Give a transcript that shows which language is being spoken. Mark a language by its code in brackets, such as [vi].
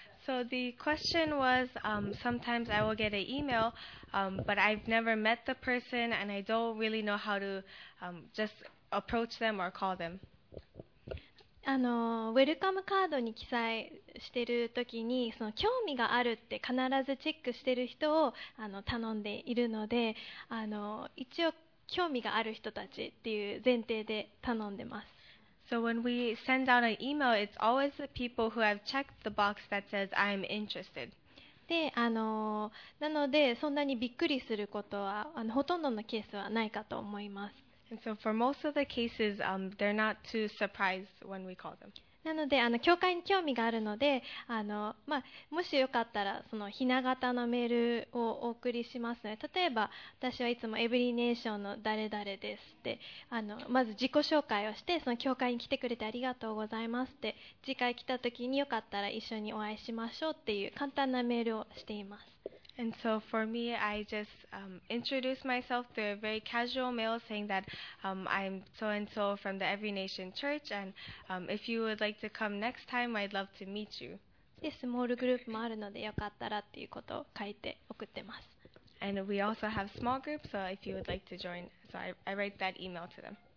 [en] So the question was, sometimes I will get an email, but I've never met the person and I don't really know how to just approach them or call them. [ja] ウェルカムカードに記載してる時にその興味があるって必ずチェックしてる人を頼んでいるので一応興味がある人たちっていう前提で頼んでます。 [en] So when we send out an email, it's always the people who have checked the box that says I'm interested. [ja] で、なのでそんなにびっくりすることはほとんどのケースはないかと思います。 [en] And so for most of the cases, they're not too surprised when we call them. [ja] なので教会に興味があるので、もしよかったらそのひな型のメールをお送りしますので、例えば私はいつもエブリネーションの誰々ですってまず自己紹介をしてその教会に来てくれてありがとうございますって次回来た時によかったら一緒にお会いしましょうっていう簡単なメールをしています。 [en] And so for me, I just introduce myself through a very casual mail saying that I'm so and so from the Every Nation Church and if you would like to come next time, I'd love to meet you. [ja] で、スモールグループもあるのでよかったらっていうことを書いて送ってます。 [en] And we also have small groups, so if you would like to join, so I write that email to them.